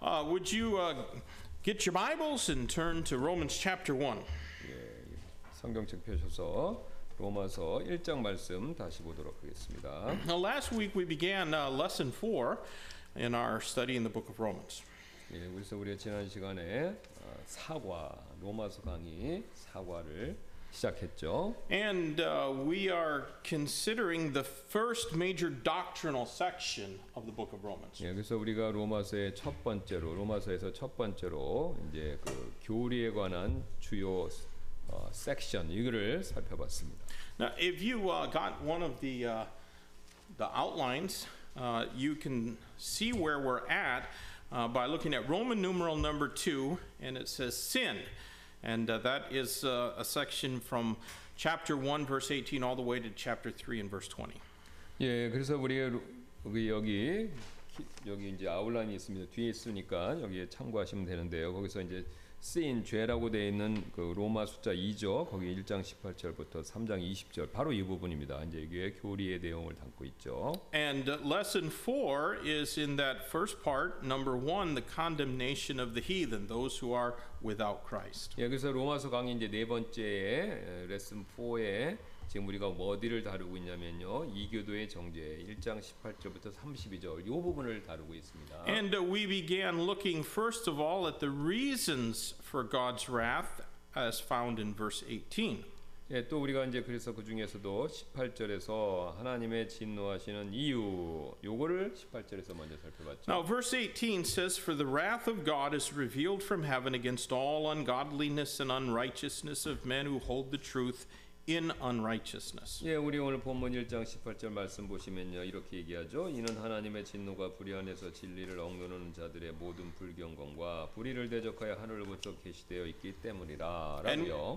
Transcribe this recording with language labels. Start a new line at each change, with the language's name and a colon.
English: Would you get your Bibles and turn to Romans chapter 1.
Korean: 예, 성경책 펴셔서 로마서 1장 말씀 다시 보도록 하겠습니다.
English: Now last week we began lesson 4 in our study in the book of Romans.
Korean: 예, 그래서 우리가 지난 시간에 사과, 로마서 강의 사과를 시작했죠.
English: And we are considering the first major doctrinal section of the book of Romans.
Korean: 예, 그래서 우리가 로마서의 첫 번째로 로마서에서 첫 번째로 이제 그 교리에 관한 주요 섹션 이거를 살펴봤습니다.
English: Now, if you got one of the outlines, you can see where we're at by looking at Roman numeral number 2, and it says sin. And that is a section from chapter 1 verse 18 all the way to chapter 3 and verse 20.
Korean: 예, 그래서 우리 여기 이제 아웃라인이 있습니다. 뒤에 있으니까 여기에 참고하시면 되는데요. 거기서 이제 sin 죄라고 돼 있는 그 로마 숫자 2죠. 거기 1장 18절부터 3장 20절 바로 이 부분입니다. 이제 이게 교리의 내용을 담고 있죠.
English: And lesson 4 is in that first part, number 1, the condemnation of the heathen, those who are without Christ.
Korean: 예, 그래서 로마서 강의 이제 네 번째에 레슨 4에 지금 우리가 어디를 다루고 있냐면요. 이교도의 정죄 1장 18절부터 32절 요 부분을 다루고 있습니다.
English: And we began looking first of all at the reasons for God's wrath as found in verse 18.
Korean: 예, 또 우리가 이제 그래서 그중에서도 18절에서 하나님의 진노하시는 이유 요거를 18절에서 먼저 살펴봤죠.
English: Now verse 18 says for the wrath of God is revealed from heaven against all ungodliness and unrighteousness of men who hold the truth in unrighteousness.
Korean: 예, 우리 오늘 본문 1장 18절 말씀 보시면요. 이렇게 얘기하죠. 이는 하나님의 진노가 불의 안에서 진리를 억누르는 자들의 모든 불경건과 불의를 대적하여 하늘로부터 계시되어 있기 때문이라라고요.